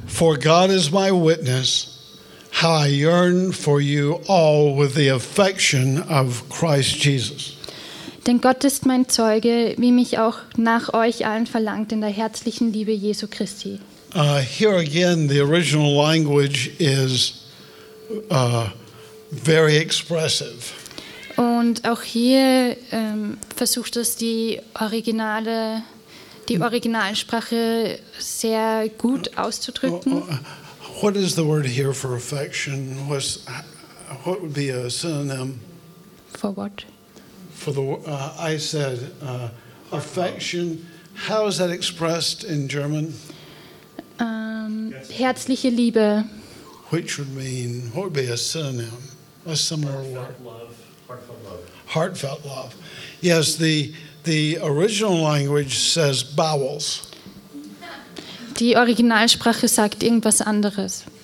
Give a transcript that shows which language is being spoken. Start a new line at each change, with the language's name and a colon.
English: For God is my witness, how I yearn for you all with the affection of Christ Jesus.
German: Denn Gott ist mein Zeuge, wie mich auch nach euch allen verlangt in der herzlichen Liebe Jesu Christi.
English: Here again, the original language is very expressive.
German: Und auch hier versucht es die Originalsprache sehr gut auszudrücken.
English: What is the word here for affection? What would be a synonym? For what? For the I said affection. How is that expressed in German?
German: Herzliche Liebe.
English: Which would mean, what would be a synonym? A similar heartfelt word. Love, heartfelt love. Yes, the original language says bowels.
German: Die Originalsprache sagt irgendwas anderes.